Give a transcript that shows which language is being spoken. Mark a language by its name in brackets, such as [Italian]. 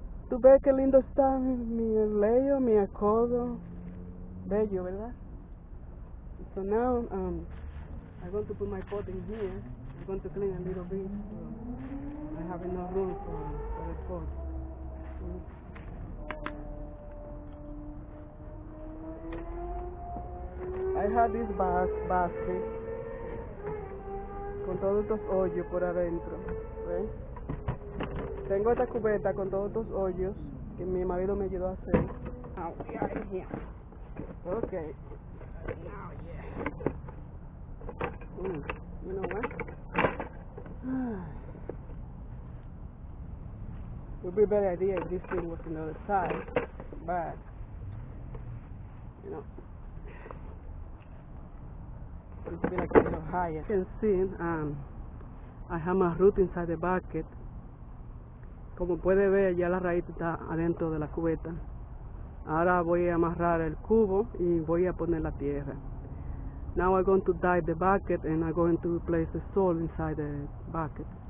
[Spanish] ¿Tú ves qué lindo está mi layer, mi acodo? Bello, ¿verdad? [English] So now I'm going to put my pot in here. I'm going to clean a little bit so I have enough room for the pot. I have this basket [Spanish] con todos estos hoyos por adentro. ¿Ven? Tengo esta cubeta con todos estos hoyos que mi marido me ayudó a hacer. [English] Now we are in here. Okay. Now, yeah. You know what? It would be a better idea if this thing was on the other side. But, you know. It's been like a little higher. You can see, I have my root inside the bucket. [Spanish] Como puede ver, ya la raíz está adentro de la cubeta. Ahora voy a amarrar el cubo y voy a poner la tierra. [English] Now I'm going to dig the bucket and I'm going to place the soil inside the bucket.